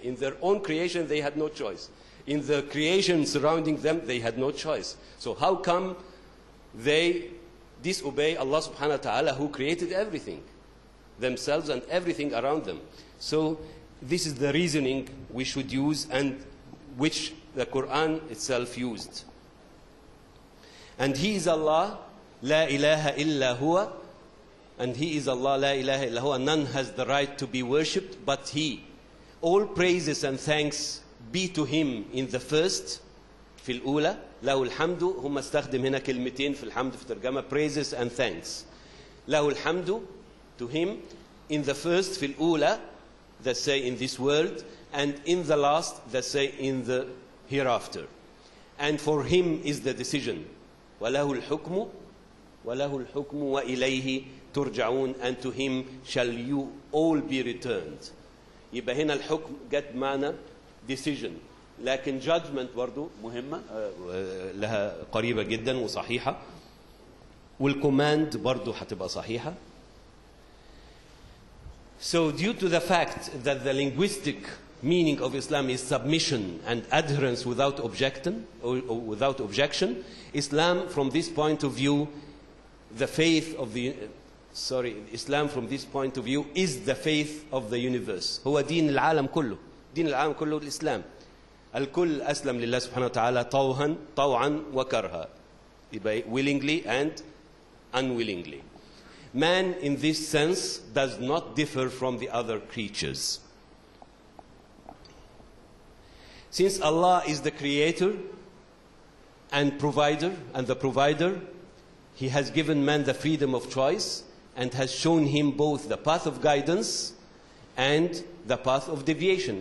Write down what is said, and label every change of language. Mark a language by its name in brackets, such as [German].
[English] In their own creation, they had no choice. In the creation surrounding them, they had no choice. So how come they disobey Allah subhanahu wa ta'ala who created everything, themselves and everything around them. So this is the reasoning we should use and which the Quran itself used. And he is Allah, [Arabic] لا إله إلا هو. [English] And he is Allah, لا إله إلا هو. None has the right to be worshipped but he. All praises and thanks be to him in the first, [Arabic] في الأولى. له الحمد. هم استخدم هنا كلمتين في الحمد في ترجمة. [English] Praises and thanks. [Arabic] له الحمد. [English] To him. In the first, [Arabic] في الأولى. [English] That say in this world. And in the last, that say in the hereafter. And for him is the decision. [Arabic] وله الحكم. وله الحكم وإليه ترجعون. [English] And to him shall you all be returned. [Arabic] يبقى هنا الحكم جت معنى decision. لكن judgment برضو مهمة لها قريبة جدا وصحيحة. والcommand برضو هتبقى صحيحة. [English] So due to the fact that the linguistic meaning of Islam is submission and adherence without objection, or without objection, Islam from this point of view, Islam from this point of view is the faith of the universe. [Arabic] هو دين العالم كله. دين العالم كله الإسلام. الكل أسلم لله سبحانه وتعالى طوعا وكرها. [English] Willingly and unwillingly. Man in this sense does not differ from the other creatures. Since Allah is the creator and provider and the provider, he has given man the freedom of choice and has shown him both the path of guidance and the path of deviation.